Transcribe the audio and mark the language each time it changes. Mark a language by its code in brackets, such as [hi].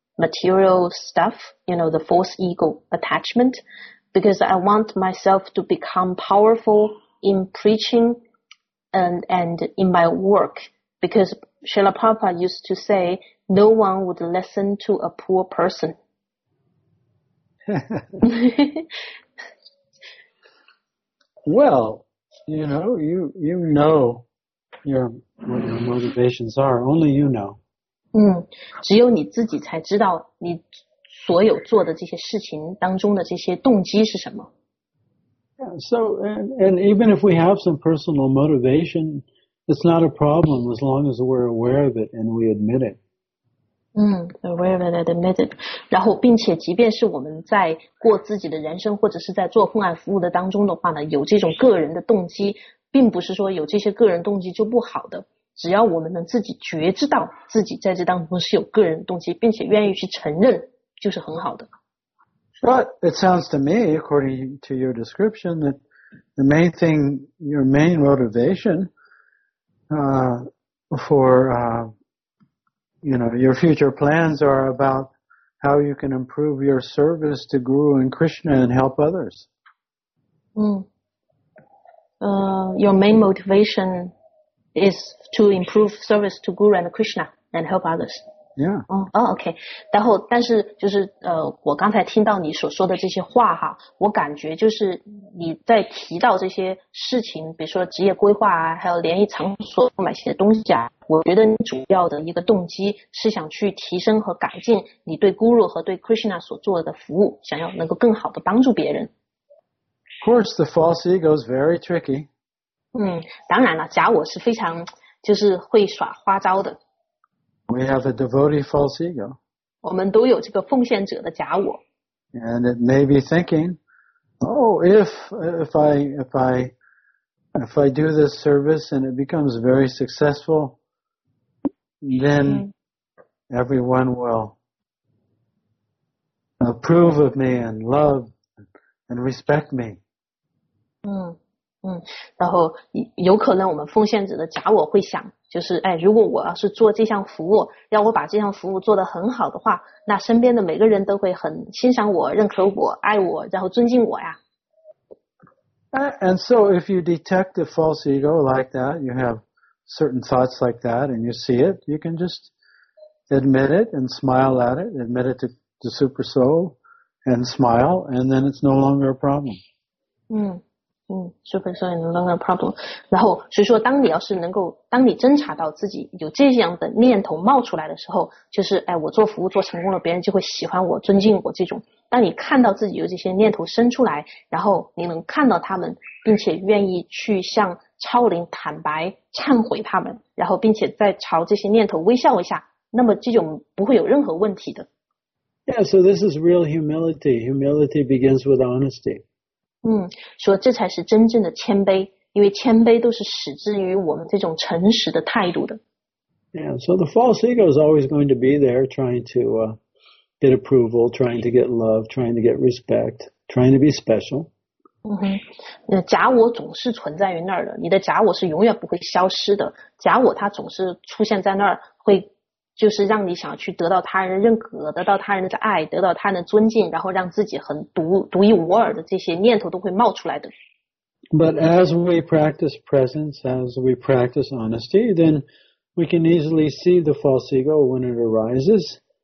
[en] material stuff, you know, the false ego attachment, because I want myself to become powerful in preaching and in my work, because Srila Prabhupada used to say, no one would listen to a poor person. Well, you know, you know what your motivations are, only you know. [zh] 只有你自己才知道你所有做的这些事情当中的这些动机是什么。 [en] Yeah, so, and even if we have some personal motivation, It's not a problem as long as we're aware of it and we admit it. 嗯, aware of it and admit it. [zh] 然后并且即便是我们在过自己的人生或者是在做婚外服务的当中的话呢，有这种个人的动机，并不是说有这些个人动机就不好的。只要我们能自己觉知到自己在这当中是有个人动机，并且愿意去承认，就是很好的。 [en] But it sounds to me, according to your description, that the main thing, your main motivation, for, you know, your future plans are about how you can improve your service to Guru and Krishna and help others. Your main motivation is to improve service to Guru and Krishna and help others. Yeah. Oh, OK. [zh] 然后但是就是我刚才听到你所说的这些话哈，我感觉就是你在提到这些事情，比如说职业规划啊，还有联谊场所买些东西啊，我觉得你主要的一个动机是想去提升和改进你对 Guru 和对 Krishna 所做的服务，想要能够更好的帮助别人。 [en] Of course, the false ego is very tricky. [zh] 嗯，当然了，假我是非常就是会耍花招的。 [en] We have a devotee false ego. [zh] 我们都有这个奉献者的假我。 [en] And it may be thinking, oh, if I do this service and it becomes very successful, then everyone will approve of me and love and respect me. [zh] 然后有可能我们奉献者的假我会想，就是哎，如果我要是做这项服务，要我把这项服务做得很好的话，那身边的每个人都会很欣赏我、认可我、爱我，然后尊敬我呀。 [en] And so, if you detect a false ego like that, you have certain thoughts like that, and you see it, you can just admit it and smile at it, admit it to the super soul and smile, and then it's no longer a problem. super soul no longer problem. [zh] 然后所以说当你要是能够当你侦查到自己有这样的念头冒出来的时候，就是哎，我做服务做成功了，别人就会喜欢我尊敬我这种。当你看到自己有这些念头生出来，然后你能看到他们，并且愿意去向超灵坦白忏悔他们，然后并且再朝这些念头微笑一下，那么这种不会有任何问题的。 [en] Yeah, so this is real humility. Humility begins with honesty. [zh] 说这才是真正的谦卑，因为谦卑都是始至于我们这种诚实的态度的。 [en] Yeah, so the false ego is always going to be there trying to get approval, trying to get love, trying to get respect, trying to be special. [zh] 假我总是存在于那儿的，你的假我是永远不会消失的，假我它总是出现在那儿，会就是让你想去得到他人认可，得到他人的爱，得到他人的尊敬，然后让自己很独一无二的这些念头都会冒出来的。 [en] But as we practice presence, as we practice honesty, then we can easily see the false ego when it arises.